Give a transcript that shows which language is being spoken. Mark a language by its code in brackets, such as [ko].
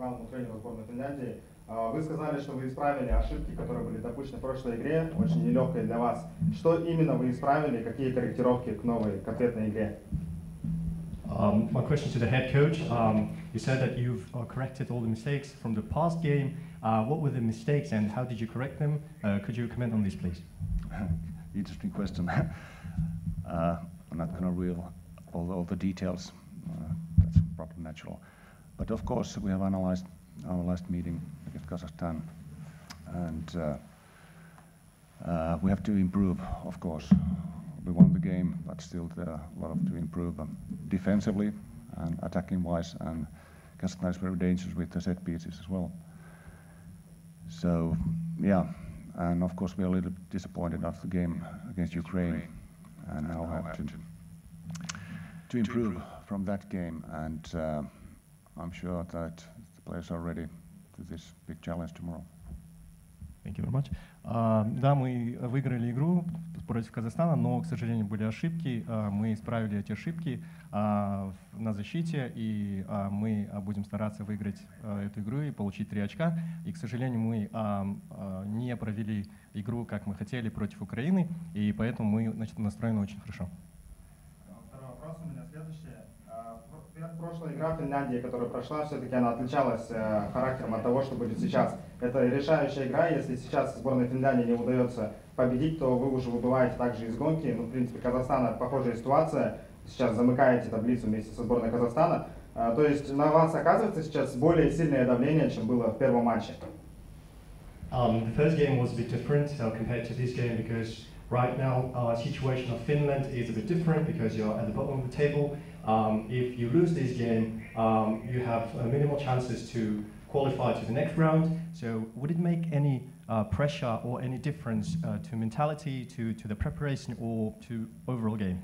[ru] Тренеру сборной Финляндии. Вы сказали, что вы исправили ошибки, которые были допущены в прошлой игре, очень нелегкой для вас. Что именно вы исправили, какие корректировки к новой конкретной игре? [en] My question to the head coach. You said that you've corrected all the mistakes from the past game. What were the mistakes and how did you correct them? Could you comment on this, please? Interesting question. I'm not going to reveal all the details. That's probably natural. But of course, we have analyzed our last meeting against Kazakhstan, and we have to improve, of course. We won the game, but still there are a lot of to improve defensively and attacking-wise, and Kazakhstan is very dangerous with the set pieces as well. So, yeah, and of course, we are a little disappointed after the game against Ukraine, and now we have to improve from that game. And I'm sure that the players are ready for this big challenge tomorrow. Thank you very much. [ru] Да, мы выиграли игру против Казахстана, но, к сожалению, были ошибки. Мы исправили эти ошибки на защите, и мы будем стараться выиграть эту игру и получить 3 очка. И, к сожалению, мы не провели игру, как мы хотели, против Украины, и поэтому мы, значит, настроены очень хорошо. Второй вопрос у меня следующий. Прошлая игра в Финляндии, которая прошла, все-таки она отличалась характером от того, что будет сейчас. Это решающая игра. Если сейчас сборной Финляндии не удается победить, то вы уже выбываете также из гонки. Ну, в принципе, Казахстана похожая ситуация. Сейчас замыкаете таблицу вместе со сборной Казахстана. То есть на вас оказывается сейчас более сильное давление, чем было в первом матче. [en] The first game was a bit different compared to this game because right now our situation of Finland is a bit different because you're at the bottom of the table. If you lose this game, you have minimal chances to qualify to the next round. So would it make any pressure or any difference to mentality, to the preparation or to overall game?